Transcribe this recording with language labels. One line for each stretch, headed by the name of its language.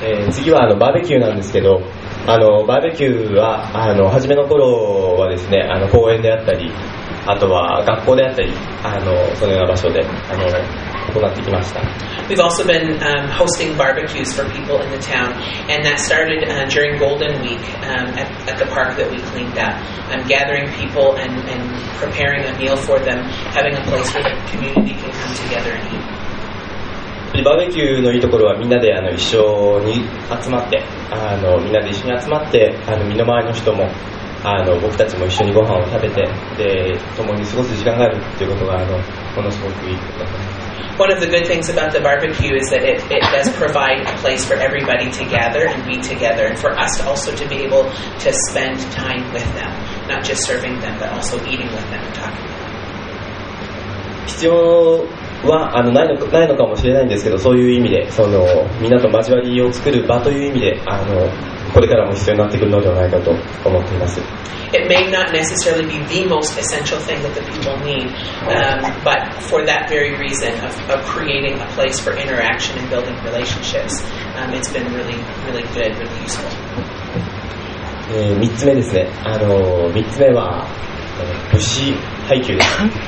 Japanese: 次はバーベキューなんですけど。バーベキューは初めの頃はですね公園であったりあとは学校であったりそのような場所で行ってきました。
English: We've also been hosting barbecues for people in the town and that started during Golden Week at the park that we cleaned up. I'm gathering people and preparing a meal for them, having a place where the community can come together and eat
Japanese: バーベキューのいいところはみんなで一緒に集まってみんなで一緒に集まって身の回りの人も僕たちも一緒にご飯を食べてで共に過ごす時間があるということがものすごくいいと思います。
English: One of the good things about the barbecue is that it does provide a place for everybody to gather and be together and for us also to be able to spend time with them, not just serving them but also eating with them and talking with them.
Japanese: 必要はないのかもしれないんですけどそういう意味でそのみんなと交わりを作る場という意味でこれからも必要になってくるのではないかと思っています。
English: It may not necessarily be the most essential thing that the people need, but for that very reason of creating a place for interaction and building relationships, it's been really, really good, really useful.
Japanese: 3つ目ですね、3つ目は物資配給です。